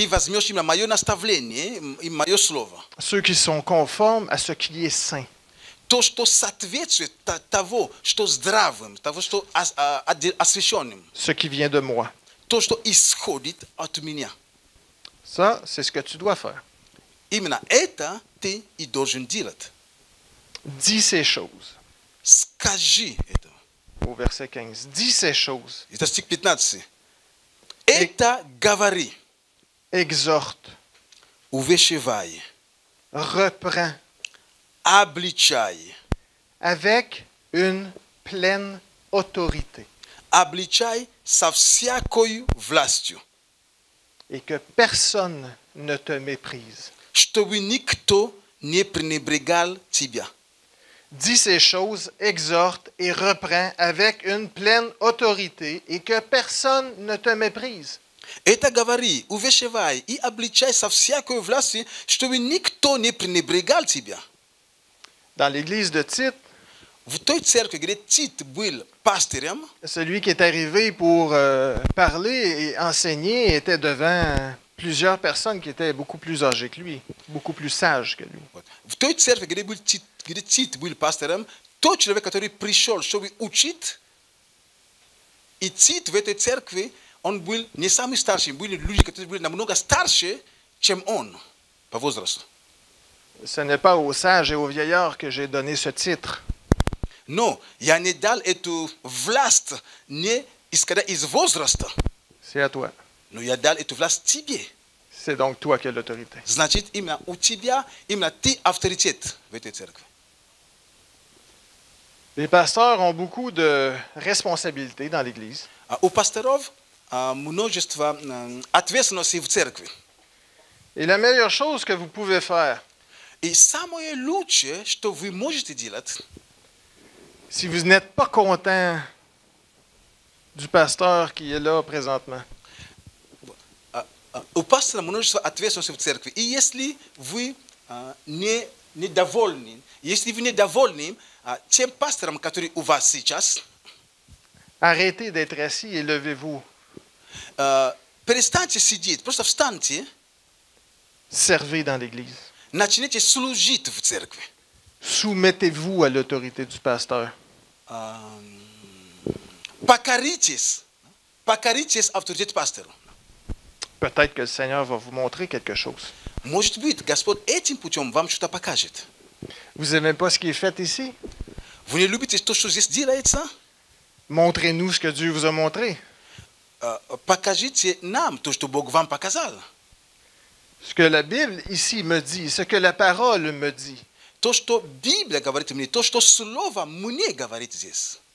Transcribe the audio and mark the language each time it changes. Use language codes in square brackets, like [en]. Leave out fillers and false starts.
[ru] Ты возьмешь именно мое наставление и мое слово. [fr] Ceux qui sont conformes à ce qui est saint. [ru] То, что соответствует того, что здравым, того, что освященным. [fr] Ce qui vient de moi. [ru] То, что исходит от меня. [fr] Ça, c'est ce que tu dois faire. [ru] Именно это ты и должен делать. [fr] Dis ces choses. [ru] Скажи это. [fr] Au verset 15. Dis ces choses. [ru] Это стих 15. Это говори. [fr] Exhorte. [ru] Увещевай. [fr] Reprends. [ru] Обличай. [fr] Avec une pleine autorité. [ru] Обличай со всякой властью. [fr] Et que personne ne te méprise. [ru] Чтобы никто не пренебрегал тебя. [fr] Dis ces choses, exhorte et reprends avec une pleine autorité et que personne ne te méprise. [ru] Это говори, увещевай и обличай со всякой властью, чтобы никто не пренебрегал тебя. [fr] Dans l'église de Tite, [ru] в той церкви, где Тит был пастырем, [fr] celui qui est arrivé pour parler et enseigner était devant plusieurs personnes qui étaient beaucoup plus âgées que lui, beaucoup plus sages que lui. [ru] В той церкви, где был Тит, где Тит был пастором, тот человек, который пришел, чтобы учить, и Тит в этой церкви, он был не самый старший, были люди, которые были намного старше, чем он. по возрасту. [fr] Ce n'est pas aux sages et aux vieillards que j'ai donné ce titre. Non, [ru] я не дал эту власть не исходя из возраста. [fr] C'est à toi. [ru] Но я дал эту власть тебе. [fr] C'est donc toi qui as l'autorité. [ru] Значит, именно у тебя, именно ты авторитет в этой церкви. [fr] Les pasteurs ont beaucoup de responsabilités dans l'église. [ru] У пасторов множество ответственности в церкви. [fr] Et la meilleure chose que vous pouvez faire. [ru] И самое лучшее, что вы можете делать. [fr] Si vous n'êtes pas content du pasteur qui est là présentement. [ru] У пастора множество ответственности в церкви. И если вы недовольны, если вы недовольны тем пастором, который у вас сейчас, [fr] arrêtez d'être assis et levez-vous. [ru] Перестаньте сидеть, просто встаньте. [fr] Servez dans l'église. [ru] Начните служить в церкви. [fr] Soumettez-vous à l'autorité du pasteur. [ru] Покоритесь авторитету пастора. [fr] Peut-être que le Seigneur va vous montrer quelque chose. [ru] Может быть, Господь этим путем вам что-то покажет. [fr] Vous n'aimez pas ce qui est fait ici? [ru] Вы не любите то, что здесь делается? [fr] Montrez-nous ce que Dieu vous a montré. [ru] Покажите нам то, что Бог вам показал. [fr] Ce que la Bible ici me dit, ce que la parole me dit. [ru] То, что Библия говорит мне, то, что Слово мне говорит здесь.